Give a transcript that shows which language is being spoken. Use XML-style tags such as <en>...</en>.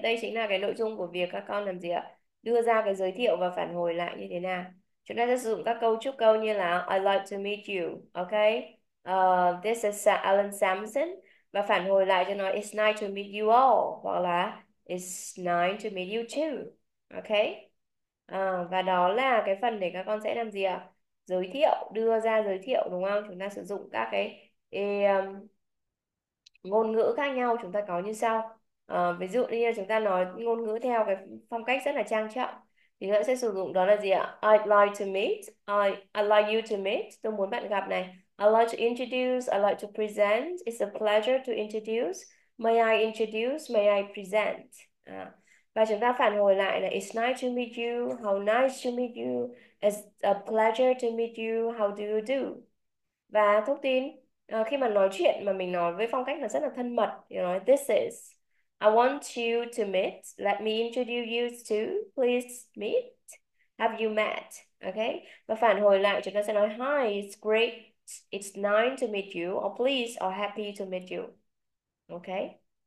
<vi>Đây chính là cái nội dung của việc các con làm gì ạ? Đưa ra cái giới thiệu và phản hồi lại như thế nào. Chúng ta sẽ sử dụng các câu chúc câu như là</vi> <en>I'd like to meet you,</en> <vi>okay?</vi> <en>This is Alan Sampson.</en> <vi>Và phản hồi lại cho nó</vi> <en>It's nice to meet you all.</en> <vi>Hoặc là</vi> <en>It's nice to meet you too. Okay?</en> <vi>Và đó là cái phần để các con sẽ làm gì ạ? Giới thiệu, đưa ra giới thiệu đúng không? Chúng ta sử dụng các cái ngôn ngữ khác nhau chúng ta có như sau. Ví dụ như chúng ta nói ngôn ngữ theo cái phong cách rất là trang trọng thì chúng ta sẽ sử dụng đó là gì ạ?</vi> <en>I'd like to meet, I'd like you to meet,</en> <vi>tôi muốn bạn gặp này.</vi> <en>I'd like to introduce, I'd like to present, it's a pleasure to introduce, may I introduce, may I present.</en> <vi>Và chúng ta phản hồi lại là</vi> <en>it's nice to meet you, how nice to meet you, it's a pleasure to meet you, how do you do?</en> <vi>Và thông tin, khi mà nói chuyện mà mình nói với phong cách là rất là thân mật,</vi> <en>you know, this is, I want you to meet, let me introduce you to, please meet, have you met? Okay?</en> <vi>Và phản hồi lại chúng ta sẽ nói</vi> <en>hi, it's great, it's nice to meet you, or please, or happy to meet you. Okay?</en>